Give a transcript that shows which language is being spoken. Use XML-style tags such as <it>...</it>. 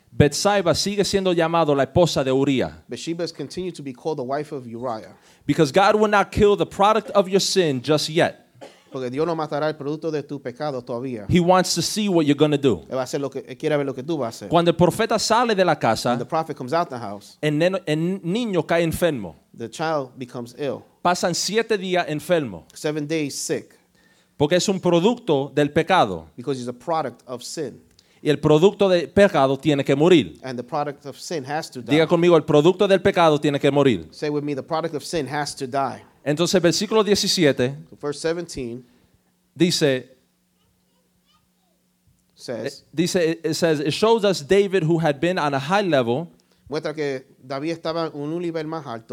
<es>Bathsheba sigue siendo llamado la esposa de Uriah.</es> <en>Bathsheba has continued to be called the wife of Uriah. Because God will not kill the product of your sin just yet.</en> <es>Porque Dios no matará el producto de tu pecado todavía.</es> <en>He wants to see what you're going to do.</en> <es>Él va a hacer lo que, él quiere ver lo que tú vas a hacer. Cuando el profeta sale de la casa,</es> <en>when the prophet comes out the house,</en> <es>el niño cae enfermo.</es> <en>The child becomes ill.</en> <es>Pasan 7 días enfermo.</es> <en>7 days sick.</en> <es>Porque es un producto del pecado.</es> <en>Because it's a product of sin.</en> <es>Y el producto del pecado tiene que morir.</es> <en>And the product of sin has to die.</en> <es>Diga conmigo, el producto del pecado tiene que morir.</es> <en>Say with me, the product of sin has to die.</en> <es>Entonces, versículo 17,</es> <en>verse 17</en> <es>dice,</es> <en>it says, it shows us David who had been on a high level.</en> <es>Muestra que David estaba en un nivel más alto.</es>